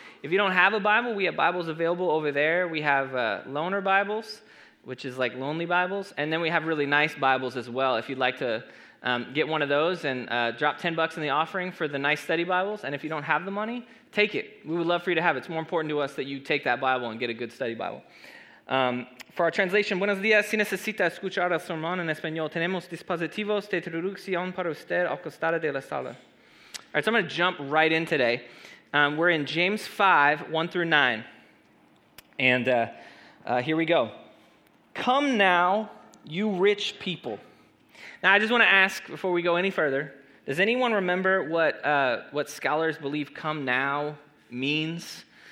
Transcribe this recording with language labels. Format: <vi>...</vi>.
<en>If you don't have a Bible, we have Bibles available over there. We have loaner Bibles, which is like lonely Bibles, and then we have really nice Bibles as well. If you'd like to get one of those and drop 10 bucks in the offering for the nice study Bibles, and if you don't have the money, take it. We would love for you to have it. It's more important to us that you take that Bible and get a good study Bible. For our translation,</en> <es>buenos días, si necesita escuchar el sermón en español, tenemos dispositivos de traducción para usted al costado de la sala.</es> <en>All right, so I'm going to jump right in today. We're in James 5, 1 through 9, and here we go. Come now, you rich people. Now, I just want to ask before we go any further, does anyone remember what scholars believe come now means?</en>